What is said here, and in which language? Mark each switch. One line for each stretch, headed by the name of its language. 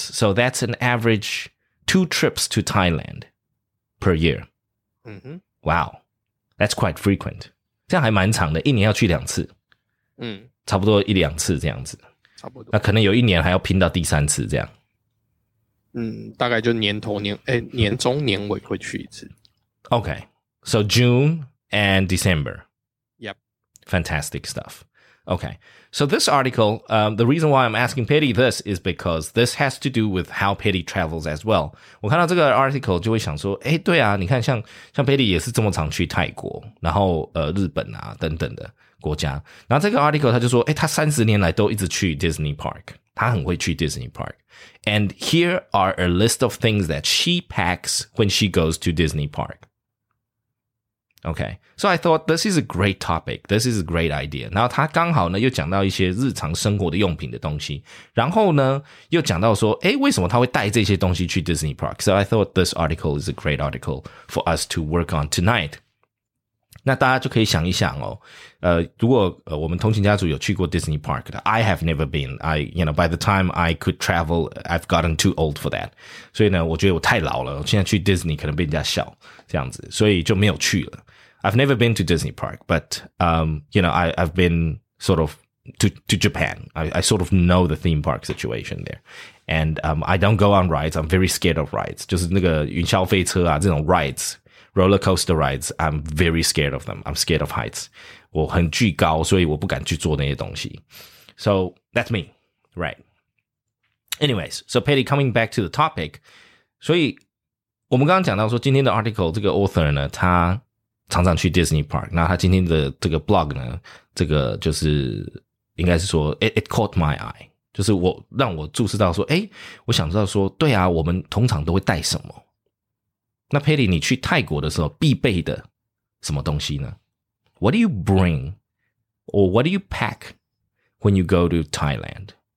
English: So that's an average 2 trips to Thailand per year. Mm-hmm. Wow. That's quite frequent.
Chinese: 这样还蛮长的，一年要去两次，嗯，差不多一两次这样子，差不多。那可能有一年还要拼到第三次这样，嗯，大概就年头年，哎，年中年尾会去一次。
English: Okay, so June and December. Yep, fantastic stuff. Okay, so this article, the reason why I'm asking Petty this is because this has to do with how Petty travels as well.
Chinese: 我看到这个 article 就会想说，诶，对啊，你看像 Petty 也是这么常去泰国，然后日本啊等等的国家。然后这个 article 他就说，诶，他30年来都一直去 Disney Park， 他很会去 Disney Park。
English: And here are a list of things that she packs when she goes to Disney Park. Okay, so I thought this is a great topic. This is a great idea.
Chinese: 然后他刚好呢又讲到一些日常生活的用品的东西，然后呢又讲到说，诶，为什么他会带这些东西去 Disney Park?
English: So I thought this article is a great article for us to work on tonight.
Chinese: 那大家就可以想一想哦，如果我们通勤家族有去过 Disney Park 的，
English: I have never been. I, you know, by the time I could travel, I've gotten too old for that.
Chinese: 所以呢，我觉得我太老了，我现在去 Disney 可能被人家笑。这样子，所以就没有去了。
English: I've never been to Disney Park, but, you know, I've been sort of to Japan. I sort of know the theme park situation there. And, I don't go on rides. I'm very scared of rides.
Chinese: 就是那个云霄飞车啊，这种
English: rides, roller coaster rides, I'm very scared of them. I'm scared of heights.
Chinese: 我很惧高，所以我不敢去做那些东西。
English: So that's me, right? Anyways, so Petty, coming back to the topic,
Chinese: 所以我们刚刚讲到说今天的 article 这个 author 呢他常常去 Disney Park, 那他今天的这个 blog 呢这个就是应该是说
English: it caught my eye,
Chinese: 就是我让我注视到说，诶，我想知道说，对啊，我们通常都会带什么，那 Petty 你去泰国的时候必备的什么东西呢？
English: What do you bring or what do you pack when you go to Thailand?